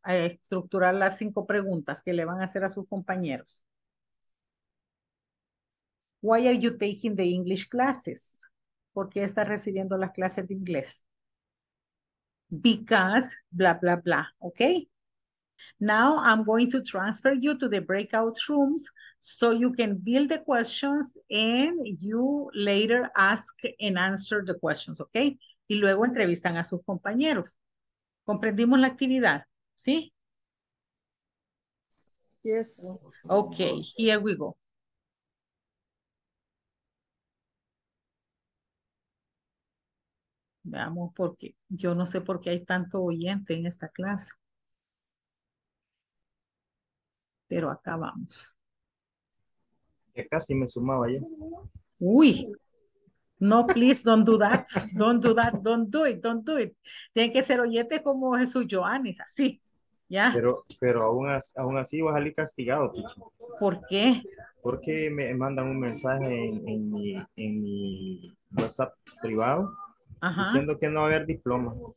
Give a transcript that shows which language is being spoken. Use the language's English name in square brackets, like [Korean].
[Spanish] A estructurar las 5 preguntas que le van a hacer a sus compañeros. [English] Why are you taking the English classes? [Spanish] ¿Por qué estás recibiendo las clases de inglés? [English] Because, bla, bla, bla. Okay. Now I'm going to transfer you to the breakout rooms so you can build the questions and you later ask and answer the questions. [Spanish] Okay. Y luego entrevistan a sus compañeros. ¿Comprendimos la actividad? ¿Sí? [English] Yes. Okay, here we go. [Spanish] Veamos por qué. Yo no sé por qué hay tanto oyente en esta clase. pero acá vamos. Ya casi me sumaba ya. [English] Uy, no, please, don't do that. Don't do that, don't do it, don't do it. [Spanish] Tienen que ser oyentes como Jesús Joanes, así, ¿ya? Pero aún así vas a salir castigado, Ticho. ¿Por qué? Porque me mandan un mensaje en mi WhatsApp privado. Ajá. Diciendo que no va a haber diploma.